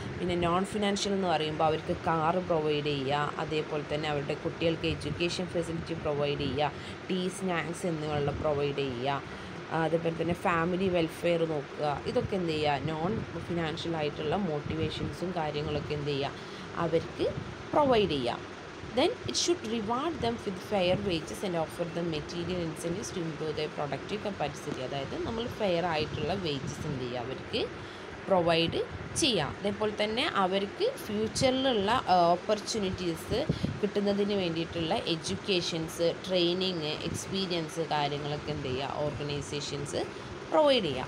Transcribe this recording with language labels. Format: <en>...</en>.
<ml>പിന്നെ non financial എന്ന് പറയുമ്പോൾ അവർക്ക് കാറ് പ്രൊവൈഡ് ചെയ്യുക, അതേപോലെ തന്നെ അവരുടെ കുട്ടികൾക്ക് എഡ്യൂക്കേഷൻ ഫെസിലിറ്റി പ്രൊവൈഡ് ചെയ്യുക, ടീ സ്നാക്സ് എന്നിവയുള്ള പ്രൊവൈഡ് ചെയ്യുക, അതേപോലെ തന്നെ ഫാമിലി വെൽഫെയർ നോക്കുക. ഇതൊക്കെ എന്ത് ചെയ്യുക, നോൺ ഫിനാൻഷ്യലായിട്ടുള്ള മോട്ടിവേഷൻസും കാര്യങ്ങളൊക്കെ എന്ത് ചെയ്യുക, അവർക്ക് പ്രൊവൈഡ് ചെയ്യുക.</ml> <en>Then it should reward them with fair wages and offer them material incentives to improve their productive capacity.</en> <ml>അതായത് നമ്മൾ ഫെയർ ആയിട്ടുള്ള വേജസ് എന്ത് ചെയ്യുക, അവർക്ക് പ്രൊവൈഡ് ചെയ്യാം. അതേപോലെ തന്നെ അവർക്ക് ഫ്യൂച്ചറിലുള്ള ഓപ്പർച്യൂണിറ്റീസ് കിട്ടുന്നതിന് വേണ്ടിയിട്ടുള്ള എഡ്യൂക്കേഷൻസ് ട്രെയിനിങ് എക്സ്പീരിയൻസ് കാര്യങ്ങളൊക്കെ എന്ത് ചെയ്യുക, ഓർഗനൈസേഷൻസ് പ്രൊവൈഡ് ചെയ്യുക.</ml>